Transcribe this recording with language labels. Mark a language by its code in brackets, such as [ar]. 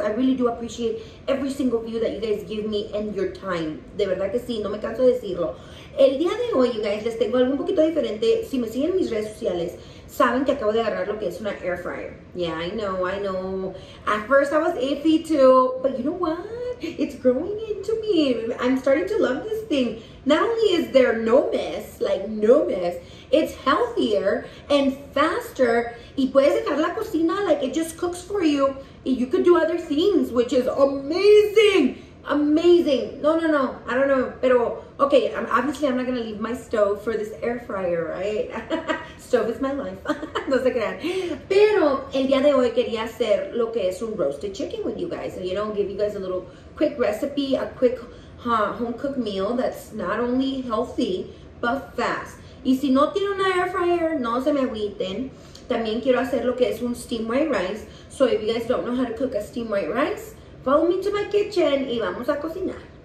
[en] I really do appreciate every single view that you guys give me and your time. [es] De verdad que sí, no me canso de decirlo. El día de hoy, [en] you guys, [es] les tengo algo un poquito diferente. Si me siguen en mis redes sociales, saben que acabo de agarrar lo que es una air fryer. [en] Yeah, I know, I know. At first I was iffy too, but you know what? It's growing into me. I'm starting to love this thing. Not only is there no mess, like no mess, it's healthier and faster. [es] Y puedes dejar la cocina, [en] like it just cooks for you. And you could do other things, which is amazing. Amazing. No, no, no. I don't know. Pero, okay, obviously I'm not going to leave my stove for this air fryer, right? Stove is my life. [es] No se crean. Pero el día de hoy quería hacer lo que es un [en] roasted chicken with you guys. And, you know, give you guys a little quick recipe, a quick home-cooked meal that's not only healthy, but fast. [es] Y si no tiene una air fryer, no se me agüiten. También quiero hacer lo que es un [en] steamed white rice. So if you guys don't know how to cook a steamed white rice, follow me to my kitchen [es] y vamos a cocinar.